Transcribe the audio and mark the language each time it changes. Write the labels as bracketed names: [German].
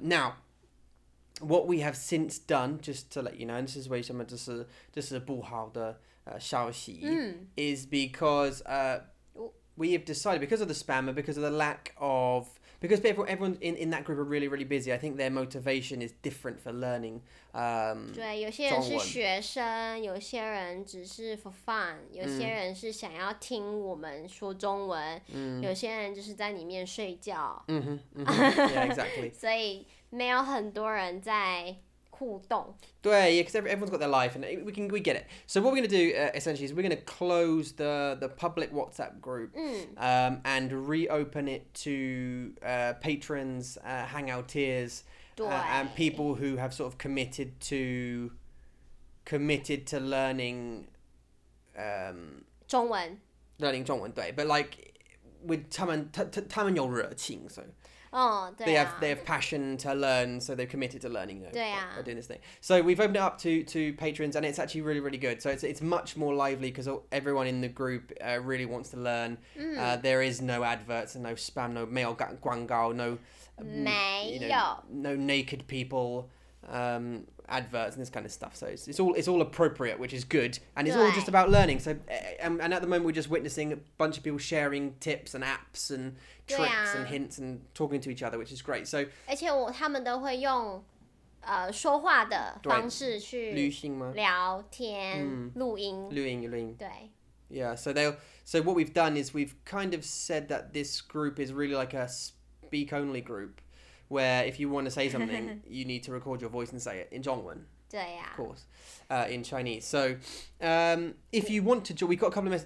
[English] Now, what we have since done, just to let you know, and this is [Chinese] 为什么这是不好的消息 [English] is because we have decided because of the spam and because of the lack of. Because people, everyone in that group are really, really busy. I think their motivation is different for learning. [Chinese] 对，有些人是学生，有些人只是 [English] for fun， [Chinese] 有些人是想要听我们说中文，有些人就是在里面睡觉。 [English] Yeah, exactly. [Chinese] 所以没有很多人在互动。 [English] 对 ，Yeah, because everyone's got their life, and we get it. So what we're gonna do essentially is we're gonna close the public WhatsApp group, and reopen it to patrons, hangouteers, and people who have sort of committed to learning. [Chinese] 中文。 [English] Learning 中文对 ，but like with [Chinese] 他们有热情 [English] so. [Chinese] 对啊、 [English] they have passion to learn, so they're committed to learning. By doing this thing. So we've opened it up to patrons, and it's actually really, really good. So it's much more lively because everyone in the group really wants to learn. There is no adverts and no spam, no mail 广告, no naked people adverts and this kind of stuff. So it's all appropriate, which is good, and it's all just about learning. So and at the moment we're just witnessing a bunch of people sharing tips and apps and. Tricks and hints and talking to each other, which is great. So, [Chinese] 而且他们都会用说话的方式去聊天、录音。对。 [English] Yeah. So what we've done is we've kind of said that this group is really like a speak only group, where if you want to say something, you need to record your voice and say it in 中文。 [Chinese] 对啊、 [English] of course, in Chinese. So, if you want to join, we've got a couple of messages.